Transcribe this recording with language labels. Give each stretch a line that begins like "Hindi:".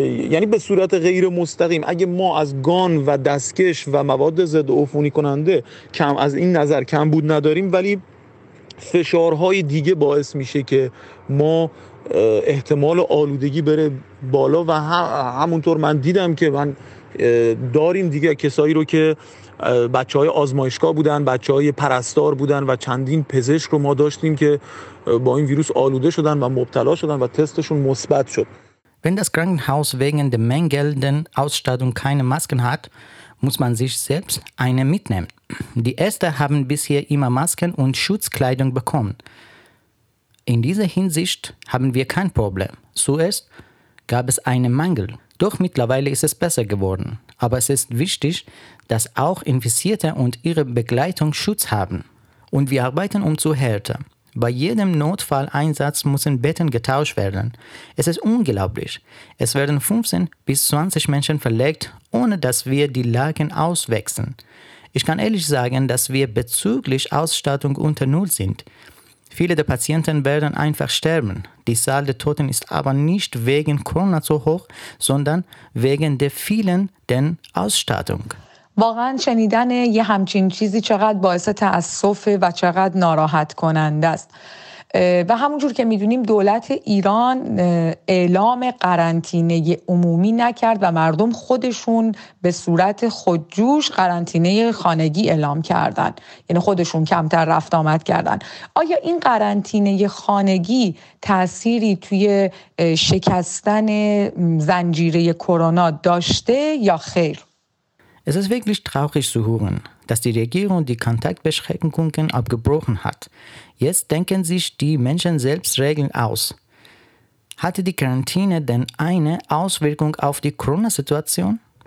Persian: یعنی به صورت غیر مستقیم اگه ما از گان و دستکش و مواد ضد عفونی کننده کم از این نظر کم بود نداریم ولی فشارهای دیگه باعث میشه که ما احتمال آلودگی بره بالا و همونطور من دیدم که من داریم دیگه کسایی رو که بچه های آزمایشگاه بودن بچه های پرستار بودن و چندین پزشک رو ما داشتیم که با این ویروس آلوده شدن و مبتلا شدن و تستشون مثبت شد
German: Wenn das Krankenhaus wegen der mangelnden Ausstattung keine Masken hat, muss man sich selbst eine mitnehmen. Die Ärzte haben bisher immer Masken und Schutzkleidung bekommen. In dieser Hinsicht haben wir kein Problem. Zuerst gab es einen Mangel, doch mittlerweile ist es besser geworden. Aber es ist wichtig, dass auch Infizierte und ihre Begleitung Schutz haben. Und wir arbeiten um zu helfen. Bei jedem Notfalleinsatz müssen Betten getauscht werden. Es ist unglaublich. Es werden 15 bis 20 Menschen verlegt, ohne dass wir die Lagen auswechseln. Ich kann ehrlich sagen, dass wir bezüglich Ausstattung unter Null sind. Viele der Patienten werden einfach sterben. Die Zahl der Toten ist aber nicht wegen Corona so hoch, sondern wegen der fehlenden Ausstattung.
Persian: واقعا شنیدن یه همچین چیزی چقدر باعث تأسفه و چقدر ناراحت کننده است و همونجور که میدونیم دولت ایران اعلام قرنطینه عمومی نکرد و مردم خودشون به صورت خودجوش قرنطینه خانگی اعلام کردن یعنی خودشون کمتر رفت آمد کردن آیا این قرنطینه خانگی تأثیری توی شکستن زنجیره کرونا داشته یا خیر؟
German: Es ist wirklich traurig zu hören, dass die Regierung die Kontaktbeschränkungen abgebrochen hat. Jetzt denken sich die Menschen selbst Regeln aus. Hatte die Quarantäne denn eine Auswirkung auf die Corona-Situation?